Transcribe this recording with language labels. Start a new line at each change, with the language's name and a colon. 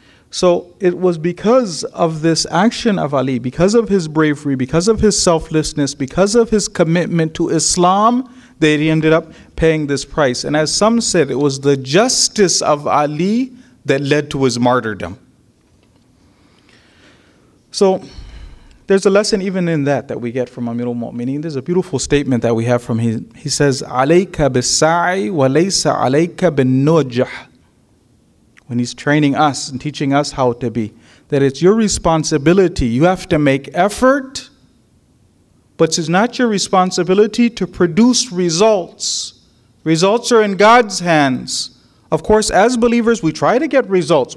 English: So it was because of this action of Ali, because of his bravery, because of his selflessness, because of his commitment to Islam, that he ended up paying this price. And as some said, it was the justice of Ali that led to his martyrdom. So there's a lesson even in that that we get from Amirul Mu'mineen. There's a beautiful statement that we have from him. He says,
Arabic: عَلَيْكَ بِالسَّعِي وَلَيْسَ عَلَيْكَ بِالنُّجْحِ.
English: When he's training us and teaching us how to be, that it's your responsibility. You have to make effort, but it's not your responsibility to produce results. Results are in God's hands. Of course, as believers, we try to get results.